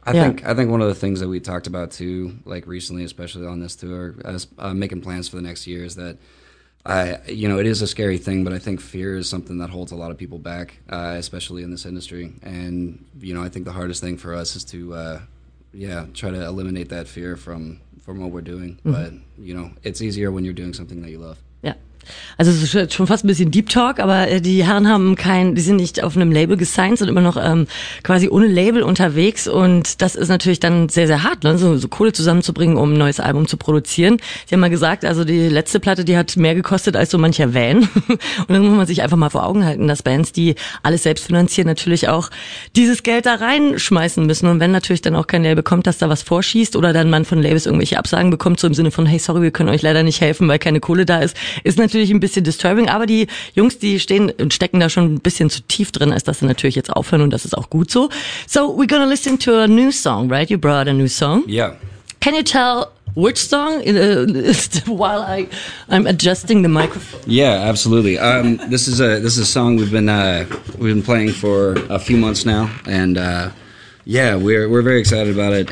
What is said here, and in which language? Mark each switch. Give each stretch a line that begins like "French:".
English: I think one of the things that we talked about too, like recently, especially on this tour, as making plans for the next year, is that it is a scary thing, but I think fear is something that holds a lot of people back, especially in this industry. And you know, I think the hardest thing for us is to try to eliminate that fear from what we're doing. Mm-hmm. But you know, it's easier when you're doing something that you love. Yeah.
German: Also es ist schon fast ein bisschen Deep Talk, aber die Herren haben die sind nicht auf einem Label gesigned, sind immer noch quasi ohne Label unterwegs, und das ist natürlich dann sehr, sehr hart, ne? So Kohle zusammenzubringen, um ein neues Album zu produzieren. Sie haben mal gesagt, also die letzte Platte, die hat mehr gekostet als so mancher Van. Und dann muss man sich einfach mal vor Augen halten, dass Bands, die alles selbst finanzieren, natürlich auch dieses Geld da reinschmeißen müssen. Und wenn natürlich dann auch kein Label kommt, dass da was vorschießt oder dann man von Labels irgendwelche Absagen bekommt, so im Sinne von, hey, sorry, wir können euch leider nicht helfen, weil keine Kohle da ist, ist natürlich ein bisschen disturbing, aber die Jungs, die stehen und stecken da schon ein bisschen zu tief drin, als dass sie natürlich jetzt aufhören, und das ist auch gut so.
English: So, we're gonna listen to a new song, right? You brought a new song. Yeah. Can you tell which song while I'm adjusting the microphone? Yeah, absolutely. This is a song we've been playing for a few months now, and we're very excited about it.